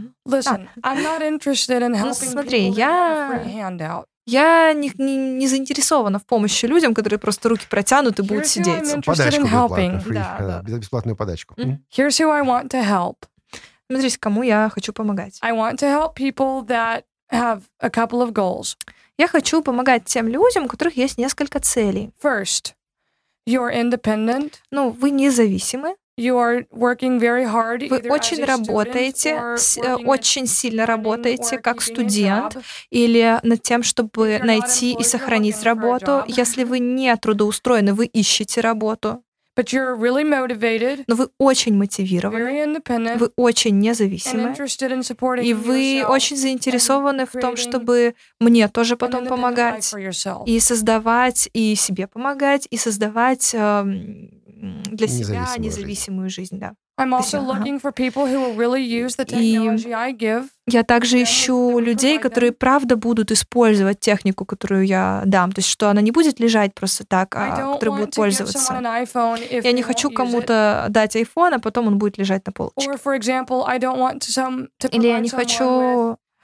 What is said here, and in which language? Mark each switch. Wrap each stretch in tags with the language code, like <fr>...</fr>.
<en>Listen, I'm not interested in helping people with a free handout.</en> <ru>Я не заинтересована в помощи людям, которые просто руки протянут и будут сидеть. Подачку бесплатную, бесплатную подачку.</ru> <en>Here's who I want to help.</en> <ru>Смотрите, кому я хочу помогать.</ru> <en>I want to help people that have a couple of goals.</en> <ru>Я хочу помогать тем людям, у которых есть несколько целей.</ru> <en>First, you're independent.</en> <ru>Ну, вы независимы.</ru> <en>You are working very hard,</en> <ru>вы очень работаете, очень сильно работаете как студент или над тем, чтобы найти и сохранить работу. Если вы не трудоустроены, вы ищете работу.</ru> <en>But you're really motivated,</en> <ru>но вы очень мотивированы, вы очень независимы, и вы очень заинтересованы в том, чтобы мне тоже потом помогать и создавать, и себе помогать, и создавать... для независимую себя независимую жизнь, жизнь да.</ru> <en>I'm also looking for people who will really use the technology I give.</en> <ru>Я также ищу людей, которые правда будут использовать технику, которую я дам. То есть, что она не будет лежать просто так, а которые будут пользоваться. Я не хочу кому-то дать iPhone, а потом он будет лежать на полочке. Или я не хочу...</ru>